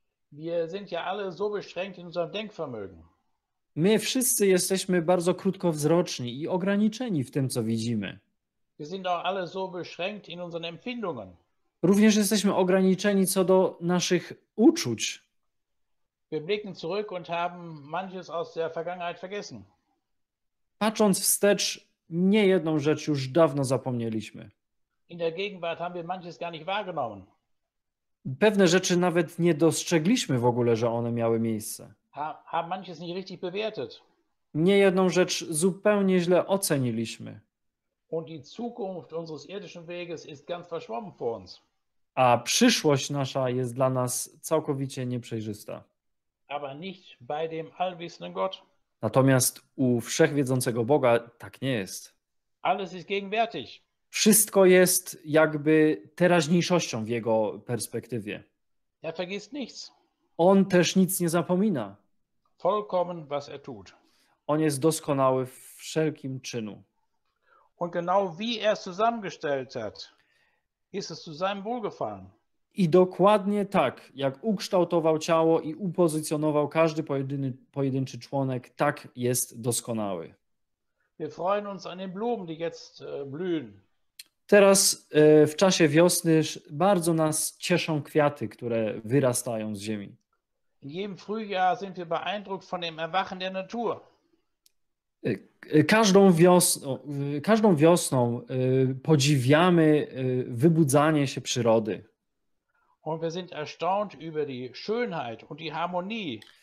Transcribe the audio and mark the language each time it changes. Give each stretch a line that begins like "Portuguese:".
German: Wir sind ja alle so beschränkt in unserem Denkvermögen.
Polish: My wszyscy jesteśmy bardzo krótkowzroczni i ograniczeni w tym, co widzimy.
German: Wir sind auch alle so beschränkt in unseren Empfindungen.
Polish: Również jesteśmy ograniczeni co do naszych uczuć.
German: Wir blicken zurück und haben manches aus der Vergangenheit vergessen.
Polish: Patrząc wstecz, nie jedną rzecz już dawno zapomnieliśmy.
German: In der Gegenwart haben wir manches gar nicht wahrgenommen.
Polish: Pewne rzeczy nawet nie dostrzegliśmy w ogóle, że one miały miejsce.
German: Haben manches nicht richtig bewertet.
Polish: Nie jedną rzecz zupełnie źle oceniliśmy.
German: Und die Zukunft unseres irdischen Weges ist ganz verschwommen vor uns.
Polish: A przyszłość nasza jest dla nas całkowicie nieprzejrzysta.
German: Aber nicht bei dem allwissenden Gott.
Polish: Natomiast u wszechwiedzącego Boga tak nie jest.
German: Alles ist gegenwärtig.
Polish: Wszystko jest jakby teraźniejszością w jego perspektywie.
German: Er vergisst nichts.
Polish: On też nic nie zapomina.
German: Vollkommen, was er tut.
Polish: On jest doskonały w wszelkim czynu.
German: Und genau wie er es zusammengestellt hat, ist es zu seinem Wohlgefallen.
Polish: I dokładnie tak, jak ukształtował ciało i upozycjonował każdy pojedynczy członek, tak jest doskonały.
German: Wir freuen uns an den Blumen, die jetzt blühen.
Polish: Teraz w czasie wiosny bardzo nas cieszą kwiaty, które wyrastają z ziemi.
German: In jedem Frühjahr sind wir beeindruckt von dem Erwachen der Natur.
Polish: Każdą wiosną podziwiamy wybudzanie się przyrody.
German: Und wir sind erstaunt über die Schönheit und die Harmonie.